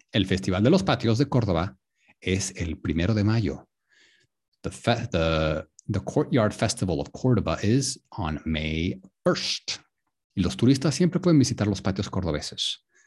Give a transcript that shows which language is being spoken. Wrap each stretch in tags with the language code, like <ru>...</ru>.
<es>El Festival de los Patios de Córdoba es el primero de mayo.</es> <en>The Courtyard Festival of Córdoba is on May 1st.</en> <es>Y los turistas siempre pueden visitar los patios cordobeses.</es>